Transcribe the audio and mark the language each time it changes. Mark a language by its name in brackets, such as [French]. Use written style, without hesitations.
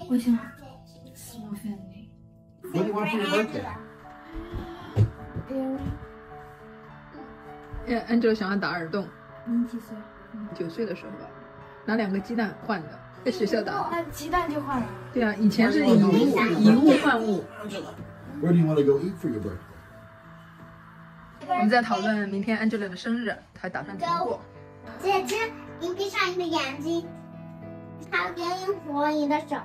[Chinese] 我想 [English] small family. What do you want for your birthday? [Chinese] Yeah, Angela 想要打耳洞。你几岁？九岁的时候吧，拿两个鸡蛋换的，在学校打。那鸡蛋就换了。对啊，以前是以物换物。 [English] Where do you want to go eat for your birthday? [Chinese] 我们在讨论明天 Angela 的生日，她打算怎么过。姐姐，你闭上你的眼睛，她给你握你的手，